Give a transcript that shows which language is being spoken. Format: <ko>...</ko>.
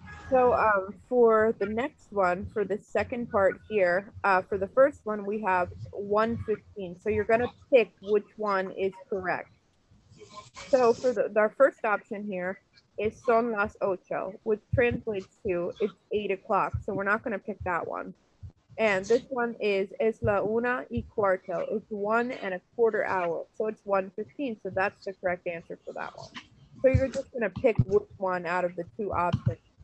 <en>So for the next one, for the second part here, for the first one we have 1:15. So you're gonna pick which one is correct. So for our first option here is</en> <es>son las ocho,</es> <en>which translates to it's 8 o'clock. So we're not gonna pick that one. And this one is</en> <es>la una y cuarto.</es> <en>It's 1.25 hours. So it's 1:15. So that's the correct answer for that one. So you're just going to pick which one out of the two options.</en>